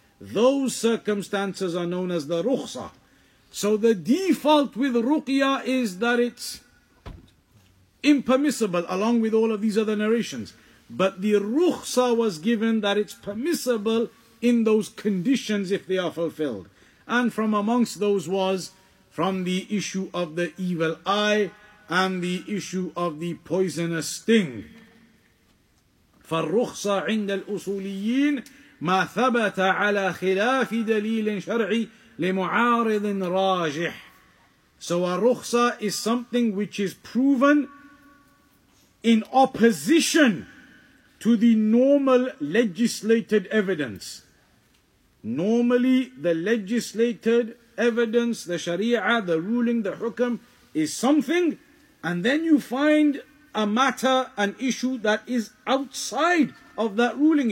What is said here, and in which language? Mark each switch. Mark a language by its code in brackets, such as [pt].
[en] Those circumstances are known as the rukhsa. So the default with ruqya is that it's impermissible, along with all of these other narrations. But the rukhsa was given that it's permissible in those conditions if they are fulfilled. And from amongst those was from the issue of the evil eye and the issue of the poisonous sting. [ar] فالرخصة عند الأصوليين ما ثبت على خلاف دليل شرعي لمعارض راجح. [en] So a rukhsa is something which is proven in opposition to the normal legislated evidence. Normally the legislated evidence, the sharia, the ruling, the hukam is something, and then you find a matter, an issue that is outside of that ruling.